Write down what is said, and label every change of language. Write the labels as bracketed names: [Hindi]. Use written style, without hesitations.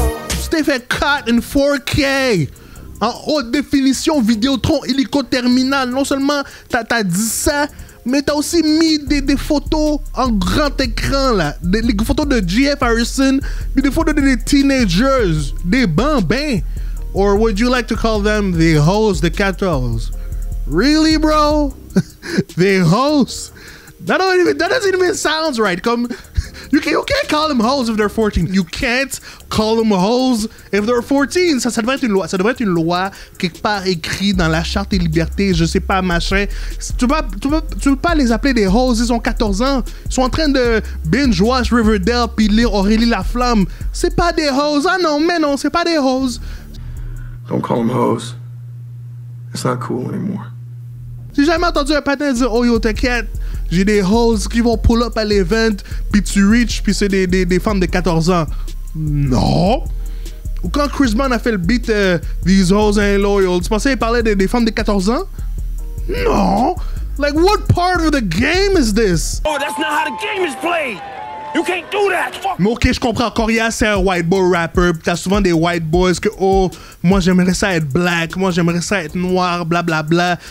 [French] Tu t'es fait [English] cut in 4K, [French] en haute définition, Vidéotron, hélico terminal. Non seulement t'as dit ça, mais t'as aussi mis des photos en grand écran là. Des photos de GF Harrison, puis des photos des teenagers, des bambins. [English] Or would you like to call them the hoes, the catholics? Really, bro? They hoes? That doesn't even sound right. Come, you can't call them hoes if they're 14. You can't call them hoes if they're 14. [French] Ça devrait être une loi. Ça devrait être une loi quelque part écrite dans la charte des libertés. Je sais pas machin. Tu peux pas les appeler des hoes. Ils ont 14 ans. Ils sont en train de binge watch Riverdale puis lire Aurélie la flamme. C'est pas des hoes. Ah non, mais non, c'est pas des hoes. [English] Don't call them hoes. It's not cool anymore. [French] J'ai jamais entendu un patin dire « Oh yo, t'inquiète, j'ai des hoes qui vont [English] pull up [French] à l'event, pis tu reach, pis c'est des femmes de 14 ans. » Non. Ou quand Chris Brown a fait le beat « [English] These hoes ain't loyal [French] », tu pensais qu'il parlait des femmes de 14 ans? Non. [English] Like, what part of the game is this? Oh, that's not how the game is played. You can't do that. [French] Mais ok, je comprends, Corias, c'est un white boy rapper, pis t'as souvent des white boys que « Oh, moi, j'aimerais ça être black, moi, j'aimerais ça être noir, blablabla.